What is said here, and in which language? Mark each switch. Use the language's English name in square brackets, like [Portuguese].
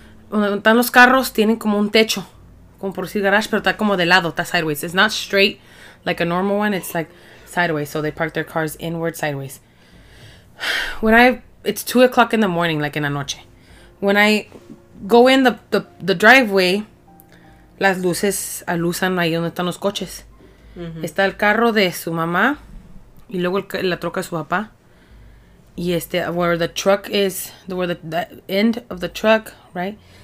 [Spanish] Donde están los carros tienen como un techo, como por decir garage, pero está como de lado, está sideways. [English] It's not straight like a normal one. It's like sideways, so they park their cars inward sideways. It's 2 o'clock in the morning, like in [Spanish] la noche. [English] When I go in the driveway, [Spanish] las luces alusan ahí donde están los coches. Mm-hmm. Está el carro de su mamá, y luego la troca de su papá. [English] Y where the truck is, where the end of the truck, right?